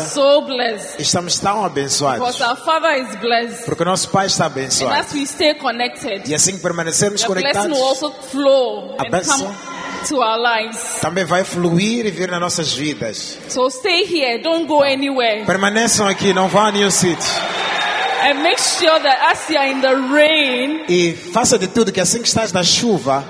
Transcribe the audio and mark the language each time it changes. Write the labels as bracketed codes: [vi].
[en] We are so blessed. [pt] Estamos tão abençoados. [en] Because our Father is blessed. [pt] Porque o nosso Pai está abençoado. [en] And as we stay connected. [pt] E assim que permanecemos conectados. [en] The blessing will also flow. [pt] A bênção. [en] To our lives. [pt] Também vai fluir e vir nas nossas vidas. [en] So stay here, don't go anywhere. [pt] Permaneçam aqui, não vão a nenhum sítio. [en] And make sure that as you are in the rain, [pt] e faça de tudo que assim que estás na chuva,